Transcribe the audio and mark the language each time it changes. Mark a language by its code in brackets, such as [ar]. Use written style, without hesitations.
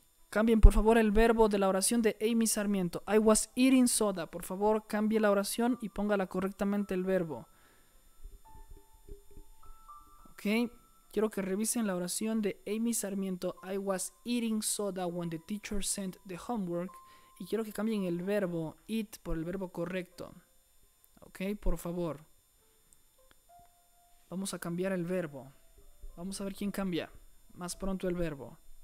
[es] Cambien por favor el verbo de la oración de Amy Sarmiento. [en] I was eating soda. [es] Por favor, cambie la oración y póngala correctamente el verbo. Ok. Quiero que revisen la oración de Amy Sarmiento. [en] I was eating soda when the teacher sent the homework. [es] Y quiero que cambien el verbo eat por el verbo correcto. Ok, por favor. Vamos a cambiar el verbo. Vamos a ver quién cambia más pronto el verbo.